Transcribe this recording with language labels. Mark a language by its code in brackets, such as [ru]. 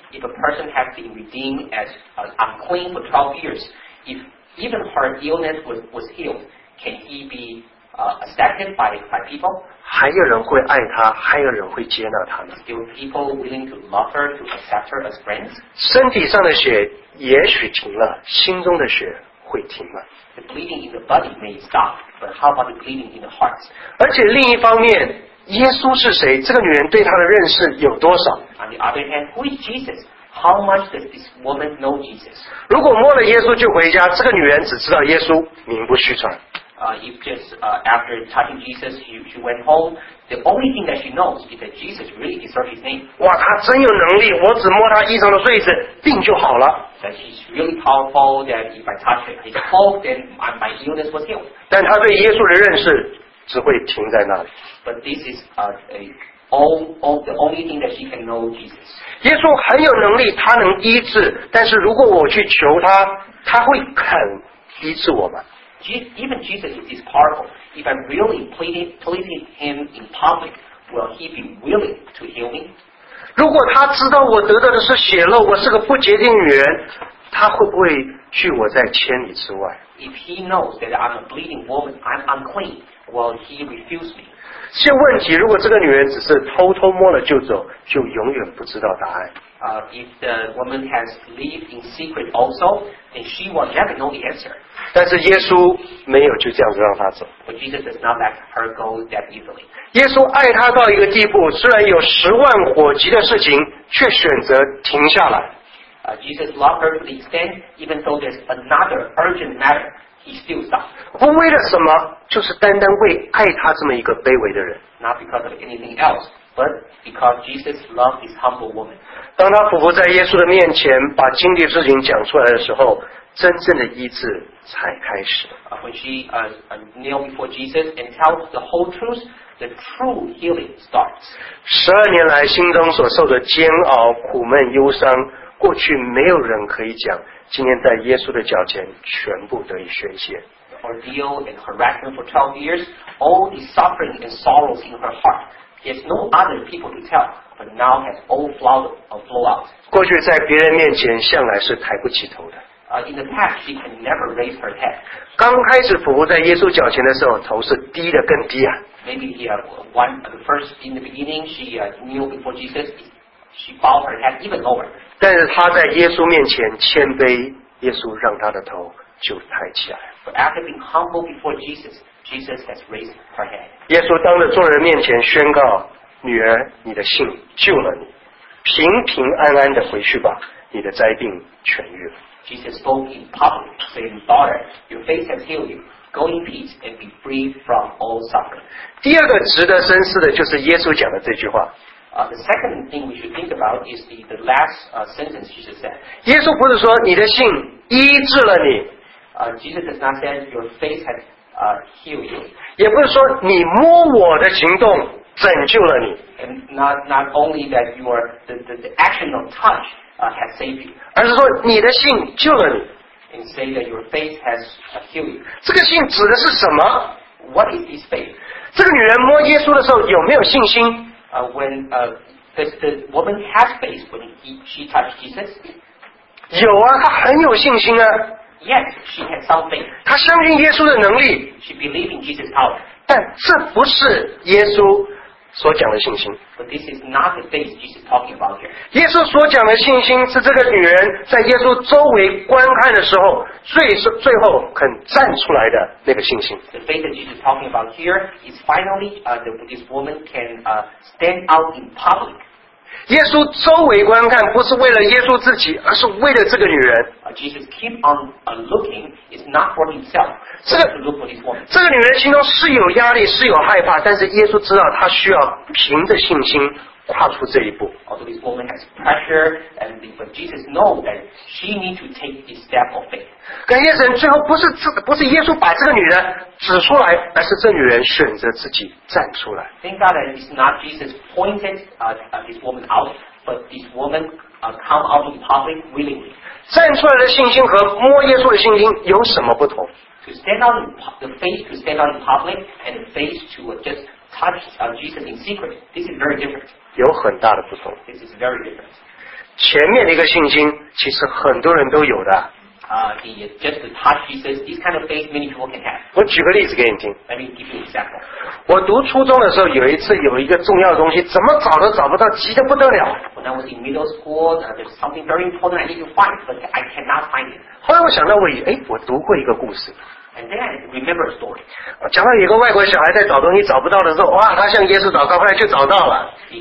[en] If a person has been redeemed as unclean for 12 years, if even her illness was healed, can he be accepted by people? [zh] 还有人会爱他，还有人会接纳他吗？ [en] Still people willing to love her, to accept her as friends? [zh] 身体上的血也许停了，心中的血。会停吗 [en] The bleeding in the body may stop, but how about the bleeding in the heart? [zh] 而且另一方面，耶稣是谁？这个女人对他的认识有多少 [en] ？On the other hand, who is Jesus? How much does this woman know Jesus? [zh] 如果摸了耶稣就回家，这个女人只知道耶稣名不虚传。 [en] If just after touching Jesus, she went home, the only thing that she knows is that Jesus really deserves his name. [zh] 哇，他真有能力！我只摸他衣裳的穗子，病就好了。 [en] That he's really powerful. That if I touch his cloak, then my illness was healed. [zh] 但他对耶稣的认识只会停在那里。 [en] But this is the only thing that he can know Jesus. [zh] 耶稣很有能力，他能医治，但是如果我去求他，他会肯医治我吗？ [en] Even Jesus is powerful. If I'm really pleading him in public, will he be willing to heal me? [zh] 如果他知道我得到的是血漏，我是个不洁净女人，他会不会拒我在千里之外？ [en] If he knows that I'm a bleeding woman, I'm unclean, will he refuse me? [zh] 这问题，如果这个女人只是偷偷摸了就走，就永远不知道答案。 [en] If the woman has lived in secret also, then she will never know the answer. [zh] 但是耶稣没有就这样子让她走。 [en] But Jesus does not let her go that easily. [zh] 耶稣爱她到一个地步，虽然有十万火急的事情，却选择停下来。 [en] Jesus loved her to the extent, even though there's another urgent matter, he still stopped. [zh] 不为了什么，就是单单为爱她这么一个卑微的人。 [en] Not because of anything else. But because Jesus loved this humble woman. [zh] 当他俯伏在耶稣的面前把经历的事情讲出来的时候，真正的医治才开始。 [en] When she kneeled before Jesus and tell the whole truth, the true healing starts. [zh] 十二年来心中所受的煎熬、苦闷、忧伤，过去没有人可以讲，今天在耶稣的脚前全部得以宣泄。 [en] The ordeal and harassment for 12 years, all the suffering and sorrows in her heart. He has no other people to tell, but now has all flow out. [zh] 过去在别人面前向来是抬不起头的。 [en] In the past, she can never raise her head. [zh] 刚开始俯伏在耶稣脚前的时候，头是低的更低啊。 [en] Maybe in the beginning, she kneeled before Jesus, she bowed her head even lower. [zh] 但是她在耶稣面前谦卑，耶稣让她的头就抬起来。 [en] But after being humble before Jesus,Jesus has raised her head. [zh] 耶稣当着众人面前宣告，女儿，你的信救了你，平平安安的回去吧，你的灾病痊愈了。 [en] Jesus spoke in public, saying, Daughter, your faith has healed you. Go in peace and be free from all suffering. [zh] 第二个值得深思的就是耶稣讲的这句话。 [en] The second thing we should think about is the last sentence Jesus said. [zh] 耶稣不是说你的信医治了你。 [en] Jesus does not say your faith has healed you. [zh] 也不是说你摸我的行动拯救了你。 [en] And not only that the action of touch has saved you. [zh] 而是说你的信救了你。 [en] And say that your faith has healed you. [zh] 这个信指的是什么？ [en] What is this faith? [zh] 这个女人摸耶稣的时候有没有信心？ [en] When the woman has faith when she touched Jesus? [zh] 有啊，她很有信心啊。 [en] Yes, she had something. [zh] 她相信耶稣的能力。 [en] She believed in Jesus' power. [zh] 但这不是耶稣所讲的信心。 [en] But this is not the faith Jesus is talking about here. [zh] 耶稣所讲的信心是这个女人在耶稣周围观看的时候，最后肯站出来的那个信心。 [en] The faith that Jesus is talking about here is finally this woman can stand out in public. [zh] 耶稣周围观看不是为了耶稣自己，而是为了这个女人。 [en] Jesus keep on looking is not for himself. [zh] 这个女人心中是有压力，是有害怕，但是耶稣知道她需要凭着信心跨出这一步。 [en] Although this woman has pressure, and but Jesus knows that she needs to take this step of faith. [zh] 感谢神，最后不是耶稣把这个女人指出来，而是这女人选择自己站出来。 [en] Thank God that it's not Jesus pointed this woman out, but this woman come out in public willingly. [zh] 站出来的信心和摸耶稣的信心有什么不同？ [en] To stand out the faith to stand out in public and the faith to just touch Jesus in secret, this is very different. [zh] 有很大的不同。 [en] This is very different. [zh] 前面的一个信心其实很多人都有的。 [en] Just to touch Jesus, this kind of faith many people can have. [zh] 我举个例子给你听。 [en] Let me give you an example. [zh] 我读初中的时候有一次有一个重要的东西怎么找都找不到急得不得了。 [en] When I was in middle school, there's something very important I need to find, but I cannot find it. [zh] 后来我想到我读过一个故事。 [en] And then I remember a story. [zh] 讲到一个外国小孩在找东西找不到的时候，哇，他向耶稣祷告，后来就找到了。